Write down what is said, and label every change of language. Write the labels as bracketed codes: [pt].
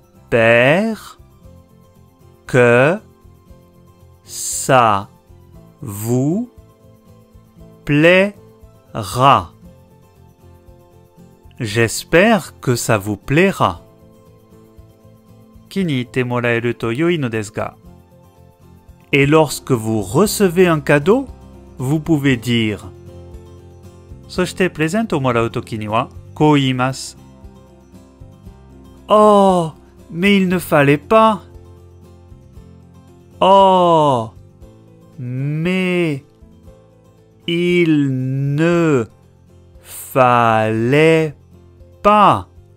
[fr] J'espère que ça vous plaira. J'espère que ça vous plaira. [ja] 気に入ってもらえると良いのですが。 [fr] Et lorsque vous recevez un cadeau, vous pouvez dire. [ja] そしてプレゼントをもらうときにはこう言います。 [fr] Oh, mais il ne fallait pas. Oh, mais il ne fallait pas.